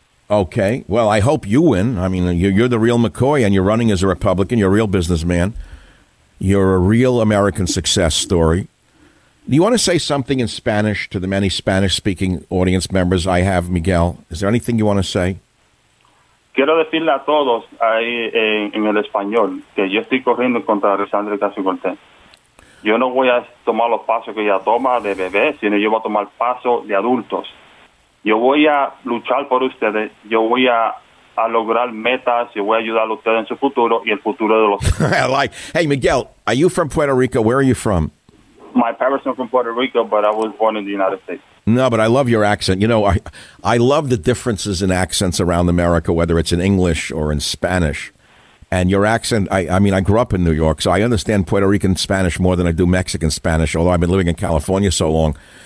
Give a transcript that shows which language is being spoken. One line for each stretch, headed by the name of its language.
English: Okay, well, I hope you win. I mean, you're the real McCoy, and you're running as a Republican. You're a real businessman. You're a real American success story. Do you want to say something in Spanish to the many Spanish-speaking audience members I have, Miguel? Is there anything you want to say?
Spanish: Quiero decirle a todos ahí en el español que yo estoy corriendo contra Alexandre Ocasio-Cortez. Yo no voy a tomar los pasos que ella toma de bebé, sino yo voy a tomar pasos de adultos. Yo voy a luchar por ustedes. Yo voy a lograr metas y voy a ayudar a ustedes en su futuro y el futuro de los...
English: Like, hey, Miguel, are you from Puerto Rico? Where are you from? My parents are from Puerto Rico, but I was born in the United States. No, but I love your accent. You know, I love the differences in accents around America, whether it's in English or in Spanish. And your accent, I mean, I grew up in New York, so I understand Puerto Rican Spanish more than I do Mexican Spanish, although I've been living in California so long.